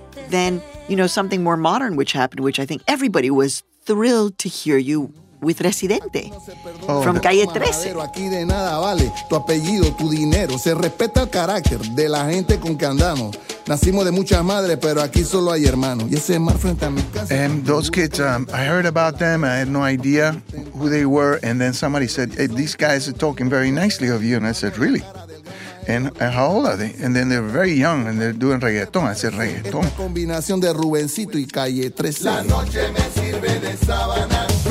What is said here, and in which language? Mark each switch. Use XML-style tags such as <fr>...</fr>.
<en>Then, you know, something more modern which happened, which I think everybody was thrilled to hear you with Residente from Calle 13.</en> <es>Aquí de nada vale tu apellido, tu dinero. Se respeta el carácter de la gente con que andamos. Nacimos de muchas madres, pero aquí solo hay hermanos. Y ese mar frente a mi casa.</es> <en>And those kids, I heard about them. I had no idea who they were. And then somebody said, hey, these guys are talking very nicely of you. And I said, really? And how old are they? And then they're very young and they're doing reggaeton. I said, reggaeton.</en> <es>Esta combinación de Rubencito y Calle 13. La noche me sirve de sabana.</es>